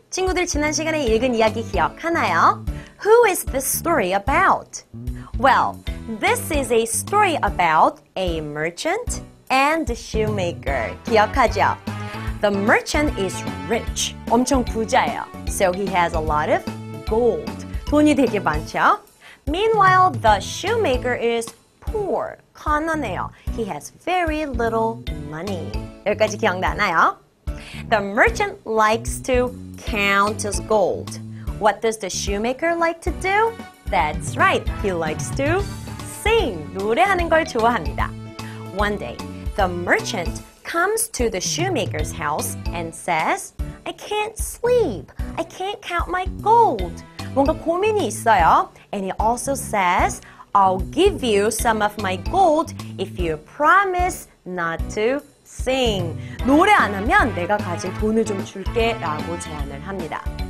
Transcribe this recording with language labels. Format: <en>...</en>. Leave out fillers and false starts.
<ko>친구들 지난 시간에 읽은 이야기 기억하나요?</ko> <en>Who is this story about? Well, this is a story about a merchant and a shoemaker.</en> <ko>기억하죠?</ko> <en>The merchant is rich.</en> <ko>엄청 부자예요.</ko> <en>So he has a lot of gold.</en> <ko>돈이 되게 많죠?</ko> <en>Meanwhile, the shoemaker is poor.</en> <ko>가난해요.</ko> <en>He has very little money.</en> <ko>여기까지 기억나나요?</ko> <en>The merchant likes to count his gold. What does the shoemaker like to do? That's right, he likes to sing.</en> <ko>노래하는 걸 좋아합니다.</ko> <en>One day, the merchant comes to the shoemaker's house and says, I can't sleep. I can't count my gold.</en> <ko>뭔가 고민이 있어요.</ko> <en>And he also says, I'll give you some of my gold if you promise not to sing.</en> <ko>노래 안 하면 내가 가진 돈을 좀 줄게 라고 제안을 합니다.</ko>